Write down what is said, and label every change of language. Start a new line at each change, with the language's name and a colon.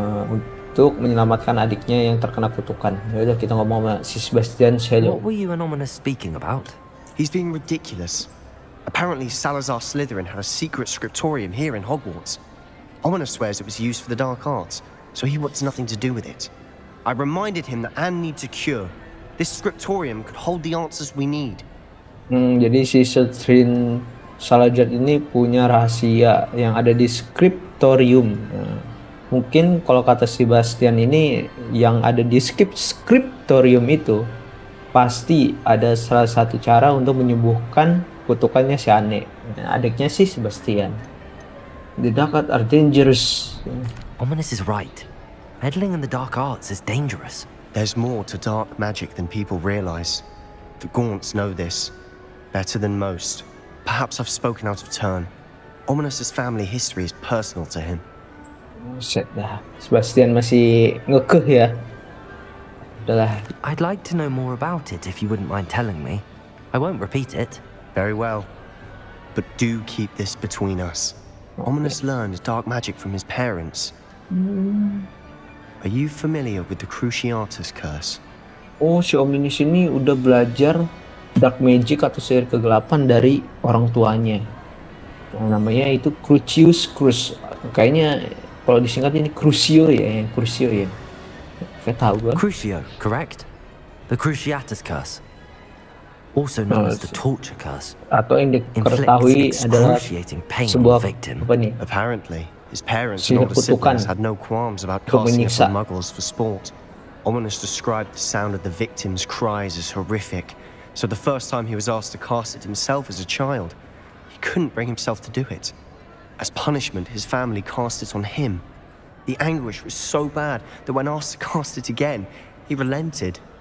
Indonesian: Untuk menyelamatkan adiknya yang terkena kutukan. Ya udah, kita ngomong sama si Sebastian Shelley.
English: What were you and Ominous speaking about? He's being ridiculous. Apparently Salazar Slytherin had a secret scriptorium here in Hogwarts. Ominous swears it was used for the Dark Arts, so he wants nothing to do with it. I reminded him that Anne needs a cure. This scriptorium could hold the answers we need.
Indonesian: Jadi si Slytherin Salazar ini punya rahasia yang ada di scriptorium. Mungkin kalau kata Sebastian ini yang ada di scriptorium itu pasti ada salah satu cara untuk menyembuhkan kutukannya si Anne. Adiknya si Sebastian.
English: The dark arts are dangerous. Ominous is right. Meddling in the dark arts is dangerous. There's more to dark magic than people realize. The Gaunts know this better than most. Perhaps I've spoken out of turn. Ominous's family history is personal to him.
Indonesian: Shit, nah. Sebastian masih ngekeh ya. Udahlah.
English: I'd like to know more about it if you wouldn't mind telling me. I won't repeat it. Very well. But do keep this between us. Okay. Ominous learned dark magic from his parents. Are you familiar with the Cruciatus Curse?
Indonesian: Oh, si Ominous ini udah belajar dark magic atau sihir kegelapan dari orang tuanya. Nah, namanya itu Crucius Curse. Kayaknya kalau disingkat ini Crucio ya, yang Crucio ya. Kayak tahu gue.
English: Crucio, correct? The Cruciatus Curse. Also known as the Torture Curse.
Indonesian: Atau yang diketahui adalah sebuah victim. Apa nih?
English: Apparently. His parents and older siblings had no qualms about casting for muggles for sport. Ominous described the sound of the victim's cries as horrific, So the first time he was asked to cast it himself as a child, he couldn't bring himself to do it. As punishment, his family cast it on him. The anguish was so bad that when asked to cast it again, he relented.